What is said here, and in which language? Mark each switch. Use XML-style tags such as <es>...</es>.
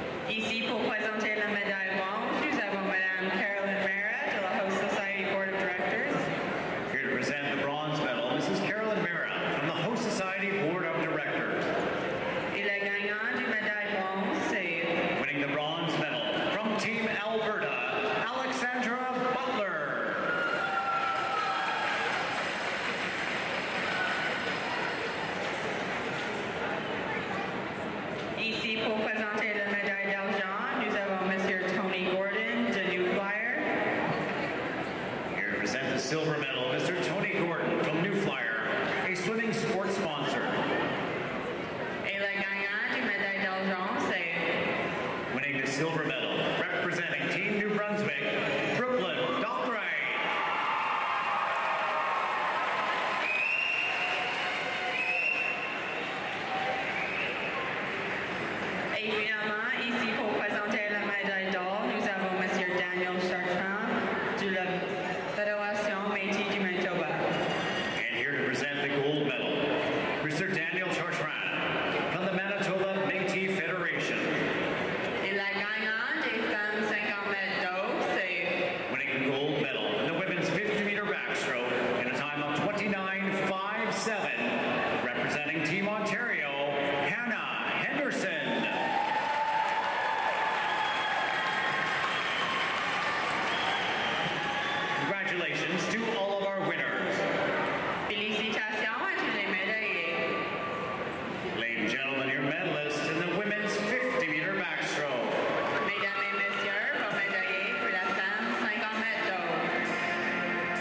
<fr>Ici pour présenter la médaille bronze, nous avons Madame Carolyn Merritt de la Host Society Board of Directors.</fr> <en>Here to present the bronze medal, this is Carolyn Merritt from the Host Society Board of Directors.</en> <fr>Et le gagnant du médaille bronze, c'est...</fr> <en>Winning the bronze medal from Team Alberta, Alexandra Butler.</en> <fr>Ici pour présenter la médaille d'argent, nous avons Monsieur Tony Gordon de New Flyer.</fr> <en>Here to present the silver medal, Mr. Tony Gordon from New Flyer, a swimming sports sponsor.</en> <fr>Et le gagnant du médaille d'argent, c'est...</fr> <en>Winning the silver medal, representing Team New Brunswick, Brooklyn Dockray.</en> <fr>Et finalement, ici pour présenter la médaille d'or, nous avons Monsieur Daniel Chartrand de la Fédération Métis du Manitoba.</fr> <en>And here to present the gold medal, Mr. Daniel Chartrand from the Manitoba Métis Federation.</en> <fr>Et la gagnante des femmes 50 mètres d'eau, c'est...</fr> <en>Winning the gold medal in the women's 50 meter backstroke in a time of 29.57, representing Team Ontario, Hannah Henderson. Congratulations to all of our winners.</en> <fr>Félicitations à tous les médaillés.</fr> <en>Ladies and gentlemen, your medalists in the women's 50 meter backstroke.</en> <fr>Mesdames et messieurs, vos médaillés pour la femme 50 mètres d'eau.</fr>